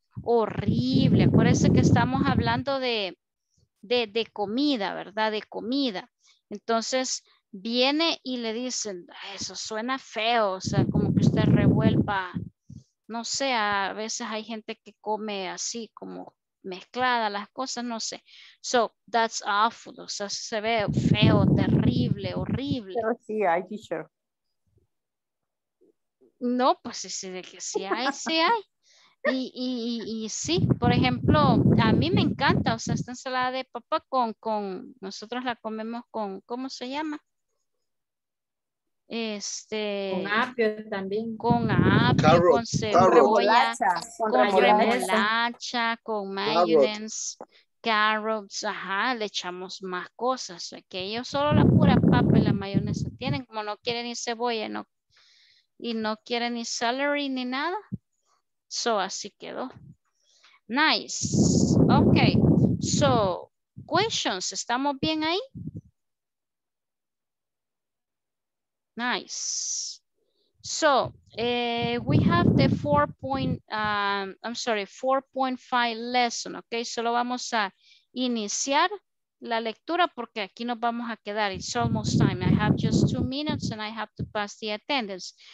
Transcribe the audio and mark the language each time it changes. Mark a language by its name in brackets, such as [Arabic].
[Spanish] Horrible. Acuérdense que estamos hablando de comida, ¿verdad? De comida. Entonces, viene y le dicen, eso suena feo, o sea, como que usted revuelva, no sé, a veces hay gente que come así, como mezclada las cosas, no sé. So, [English] that's awful, [Spanish] o sea, se ve feo, terrible, horrible. Pero sí, hay teacher. No, pues sí, de que sí hay, sí hay. Y sí, por ejemplo, a mí me encanta, o sea, esta ensalada de papa con nosotros la comemos con, ¿cómo se llama? Con apio también. Con apio, carrot, con cebolla, con remolacha, con mayonnaise, carrots, ajá, le echamos más cosas, o sea, que ellos solo la pura papa y la mayonesa tienen, como no quieren ni cebolla, no, y no quieren ni celery ni nada. So, así quedó. Nice. Ok. So, questions. ¿Estamos bien ahí? [English] Nice. So, we have the 4.5 lesson. Ok. [Spanish] Solo vamos a iniciar la lectura porque aquí nos vamos a quedar. [English] It's almost time. I have just 2 minutes and I have to pass the attendance.